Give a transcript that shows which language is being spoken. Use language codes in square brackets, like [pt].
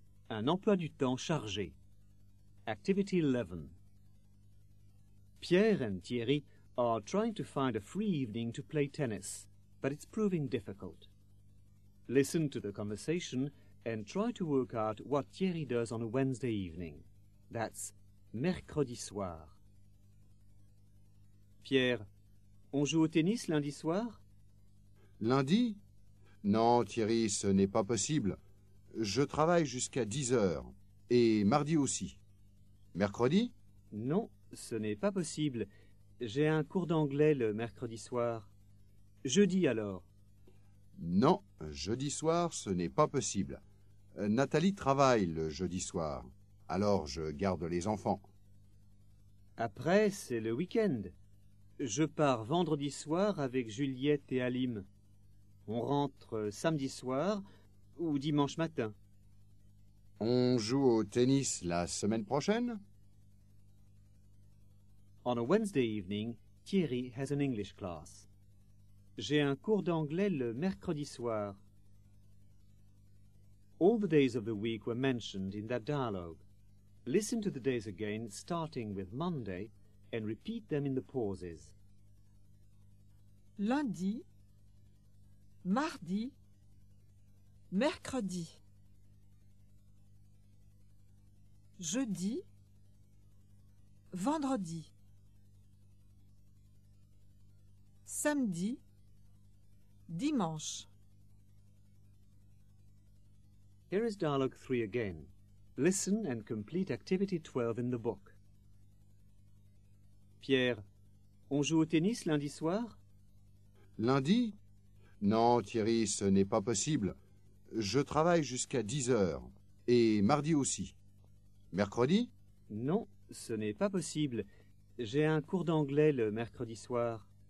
[fr] Un emploi du temps chargé. [en] Activity 11. Pierre and Thierry are trying to find a free evening to play tennis, but it's proving difficult. Listen to the conversation and try to work out what Thierry does on a Wednesday evening. That's [fr] mercredi soir. Pierre, on joue au tennis lundi soir? Lundi? Non, Thierry, ce n'est pas possible. Je travaille jusqu'à 10 heures. Et mardi aussi. Mercredi? Non, ce n'est pas possible. J'ai un cours d'anglais le mercredi soir. Jeudi alors? Non, jeudi soir, ce n'est pas possible. Nathalie travaille le jeudi soir. Alors je garde les enfants. Après, c'est le week-end. Je pars vendredi soir avec Juliette et Halim. On rentre samedi soir ou dimanche matin. On joue au tennis la semaine prochaine? [en] On a Wednesday evening, Thierry has an English class. [fr] J'ai un cours d'anglais le mercredi soir. [en] All the days of the week were mentioned in that dialogue. Listen to the days again, starting with Monday, and repeat them in the pauses. [fr] Lundi, mardi, mercredi, jeudi, vendredi, samedi, dimanche. [en] Here is dialogue 3 again. Listen and complete activity 12 in the book. [fr] Pierre, on joue au tennis lundi soir? Lundi? Non, Thierry, ce n'est pas possible. Je travaille jusqu'à 10 heures. Et mardi aussi. Mercredi? Non, ce n'est pas possible. J'ai un cours d'anglais le mercredi soir.